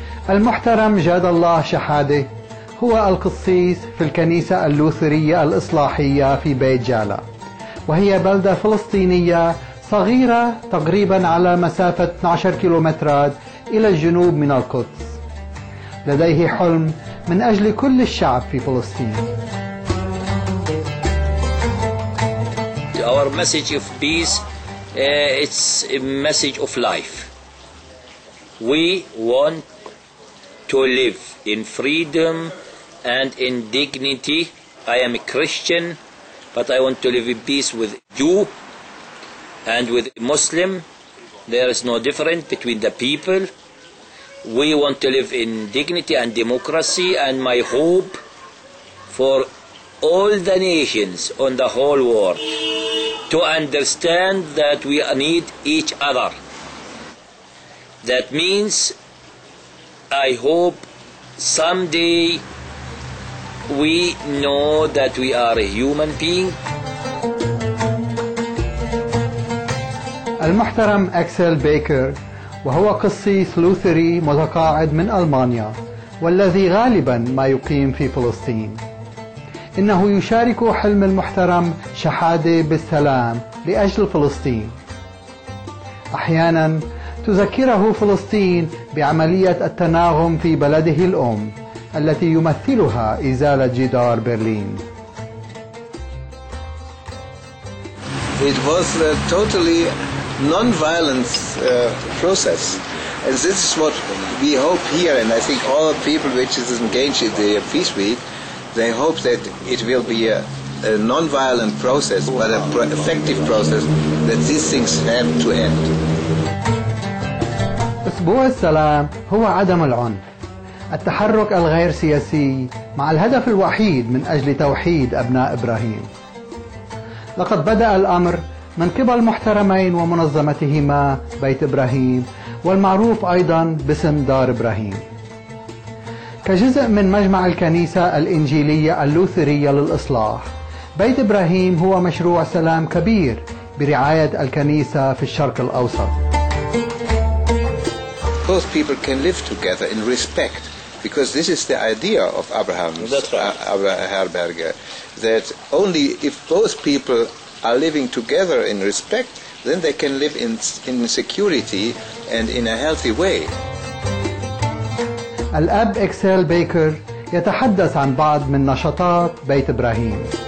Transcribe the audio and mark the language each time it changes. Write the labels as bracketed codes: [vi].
[ar] المحترم جاد الله شحادة هو القسيس في الكنيسة اللوثرية الإصلاحية في بيت جالا، وهي بلدة فلسطينية صغيرة تقريبا على مسافة 12 كيلومترات إلى الجنوب من القدس. لديه حلم من أجل كل الشعب في فلسطين. [en] Our message of peace, it's a message of life. We want to live in freedom and in dignity. I am a Christian, but I want to live in peace with Jew and with Muslim. There is no difference between the people. We want to live in dignity and democracy, and my hope for all the nations on the whole world to understand that we need each other. That means, I hope someday we know that we are a human being. [ar] المحترم أكسل بيكر وهو قسيس لوثري متقاعد من ألمانيا والذي غالبا ما يقيم في فلسطين. إنه يشارك حلم المحترم شحادة بالسلام لأجل فلسطين. أحياناً تذكره فلسطين بعملية التناغم في بلده الأم التي يمثلها إزالة جدار برلين. [en] It was a totally non-violent process. And this is what we hope here, and I think all the people which is engaged in the Peace Week, they hope that it will be a non-violent process, but an effective process, that these things have to end. [ar] أسبوع السلام هو عدم العنف، التحرك الغير سياسي مع الهدف الوحيد من أجل توحيد أبناء إبراهيم. لقد بدأ الأمر من قبل محترمين ومنظمتهما بيت إبراهيم والمعروف أيضا باسم دار إبراهيم. كجزء من مجمع الكنيسة الإنجيلية اللوثرية للإصلاح، بيت إبراهيم هو مشروع سلام كبير برعاية الكنيسة في الشرق الأوسط. [en] Both people can live together in respect, because this is the idea of Abraham's, Herberger, that only if both people are living together in respect, then they can live in security and in a healthy way. [ar] الأب إكسيل بيكر يتحدث عن بعض من نشاطات بيت إبراهيم.